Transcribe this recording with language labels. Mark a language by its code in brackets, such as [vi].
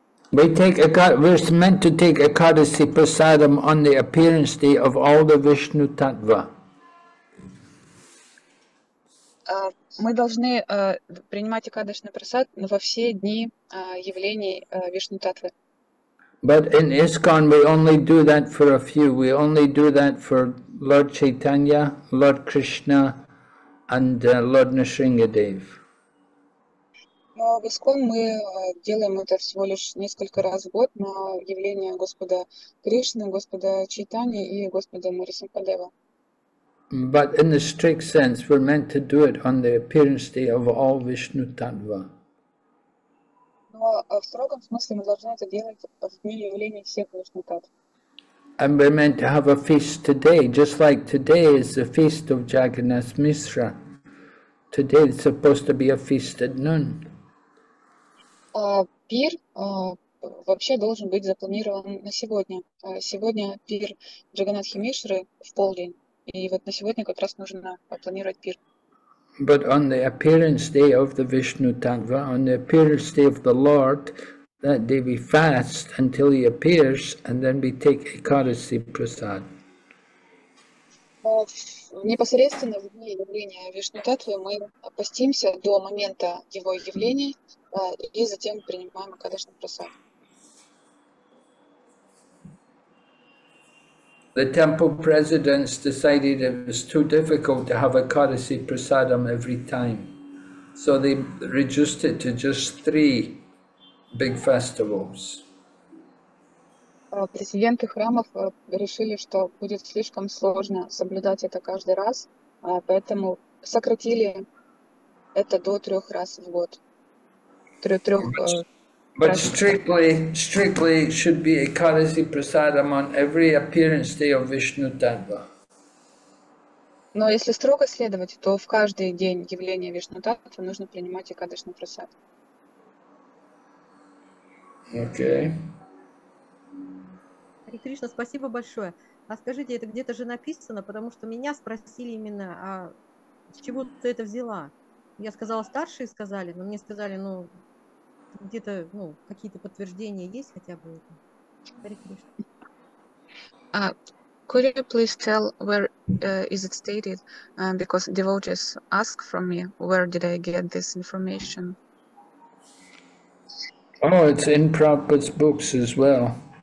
[en] We take a we're meant to take a Кадыши Прасадом on the appearance day of all the Vishnu Tattva. [ru] Мы должны принимать Экадашный Прасад во все дни явлений Вишну Таттвы. [en] But in ISKCON we only do that for a few. We only do that for Lord Chaitanya, Lord Krishna and Lord Nrisingadev. [ru] Но в ISKCON мы делаем это всего лишь несколько раз в год на явление Господа Кришны, Господа Чайтани и Господа Нрисимхадева. [en] But in the strict sense, we're meant to do it on the appearance day of all Vishnu Tattva. [ru] Но в строгом смысле мы должны это делать в дни явления всех Вишну Таттв. [en] And we're meant to have a feast today, just like today is the feast of Jagannath Misra. Today it's supposed to be a feast at noon. [ru] Пир вообще должен быть запланирован на сегодня. Сегодня пир Джаганнатхи Мишры в полдень. И вот на сегодня как раз нужно планировать пир. [en] But on the appearance day of the Vishnu Tattva, on the appearance day of the Lord, that day we fast until he appears, and then we take Ekadasi Prasad. [ru] Непосредственно в дни явления Вишну Таттвы мы постимся до момента его явления и затем принимаем Акадашну Прасад. [en] The temple presidents decided it was too difficult to have a Akadasi Prasadam every time. So they reduced it to just three big festivals. [ru] Президенты храмов решили, что будет слишком сложно соблюдать это каждый раз, поэтому сократили это до трех раз в год. [en] But strictly should be Ekadasi Prasadam on every appearance day of Vishnu Tattva. [ru] Но если строго следовать, то в каждый день явления Вишну Таттвы нужно принимать Экадашну Прасад. Окей. Хари Кришна, спасибо большое. А скажите, это где-то же написано, потому что меня спросили именно, а с чего ты это взяла? Я сказала, старшие сказали, но мне сказали, ну... Где-то, ну, какие-то подтверждения есть хотя бы? [en] Could you please tell where is it stated? Because devotees ask from me, where did I get this information? Oh, it's in Prabhupada's books as well.